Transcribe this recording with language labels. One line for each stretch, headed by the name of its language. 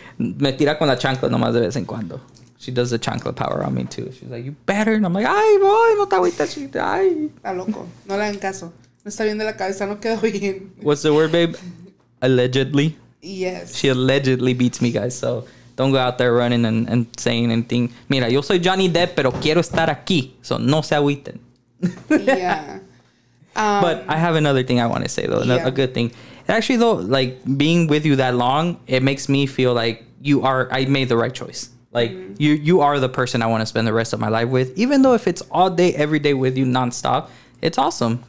Spanish: Me tira con la chancla nomás de vez en cuando.
English: She does the chancla power on me too. She's like, you better. And I'm like, ay, boy,
Spanish: no te agüites.
English: Ay.
Spanish: Está loco. No le hagan caso. No está bien de la cabeza. No quedó bien.
English: What's the word, babe? Allegedly. Yes. She allegedly beats me, guys. So. Don't go out there running and saying anything.
Spanish: Mira, yo soy Johnny Depp, pero quiero estar aquí. So no se agüiten.
English: Yeah. But I have another thing I want to say, though. A good thing. Actually, though, like, being with you that long, it makes me feel like I made the right choice. Like, you are the person I want to spend the rest of my life with. Even though if it's all day, every day with you nonstop, it's awesome.